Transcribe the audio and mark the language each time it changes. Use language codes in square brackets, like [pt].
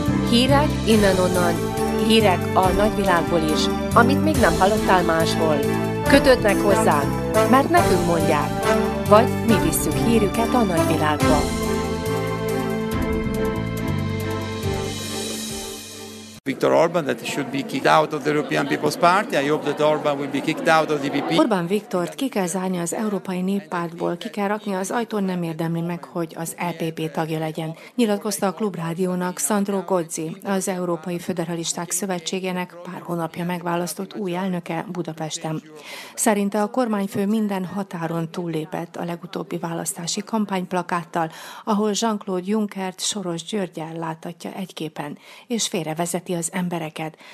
[hu] Hírek innen-onnan. Hírek a nagyvilágból is, amit még nem hallottál máshol. Kötődnek hozzánk, mert nekünk mondják. Vagy mi visszük hírüket a nagyvilágba. [en] Viktor Orbán, that should be kicked out of the European People's Party. I hope that Orbán will be kicked out of the EPP. [hu] Orbán Viktort ki kell zárni az Európai Néppártból, ki kell rakni az ajtón, nem érdemli meg, hogy az EPP tagja legyen. Nyilatkozta a Klubrádiónak Sandro Gozzi, az Európai Föderalisták Szövetségének pár hónapja megválasztott új elnöke Budapesten. Szerinte a kormányfő minden határon túllépett a legutóbbi választási kampányplakáttal, ahol Jean-Claude Junckert Soros Györggyel láthatja egy képen, és félrevezet az embereket.